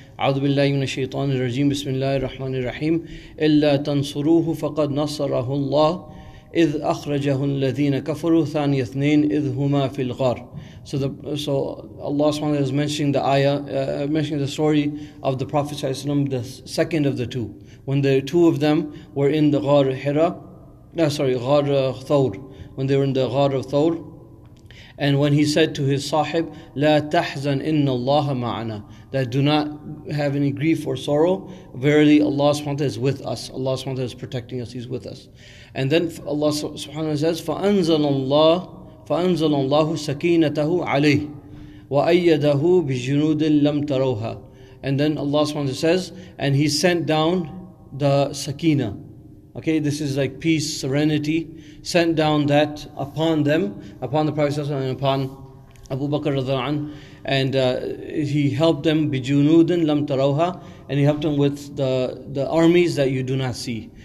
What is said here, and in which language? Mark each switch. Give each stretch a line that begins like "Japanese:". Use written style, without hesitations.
Arabic: أعوذ بالله من الشيطان الرجيم بسم الله الرحمن الرحيم إلا تنصروه فقد نصره الله إذ أخرجه الذين كفروا ثاني اثنين إذ هما في الغار.
English: So Allah subhanahu wa ta'ala is mentioning the ayah, mentioning the story of the Prophet sallallahu alaihi wasallam, the second of the two, when the two of them were in the Ghar Hira. Ghar Thawr, when they were in the Ghar of Thawr. And when he said to his sahib,
Arabic: "La tahzan inna Allaha ma'ana,"
English: that do not have any grief or sorrow, verily Allah subhanahu wa ta'ala is with us. Allah subhanahu wa ta'ala is protecting us, he's with us. And then Allah subhanahu wa ta'ala says,
Arabic: فَأَنزَلَ اللَّهُ سَكِينَتَهُ عَلَيْهِ وَأَيَّدَهُ بِجُنُودٍ لَمْ تَرَوْهَا.
English: And then Allah subhanahu wa ta'ala says, and he sent down the sakina. Okay, this is like peace, serenity, sent down that upon them, upon the Prophet ﷺ and upon Abu Bakr radhiallahu anhu. and he helped them
Arabic: bijunudin lam tarauha,
English: and he helped them with the armies that you do not see.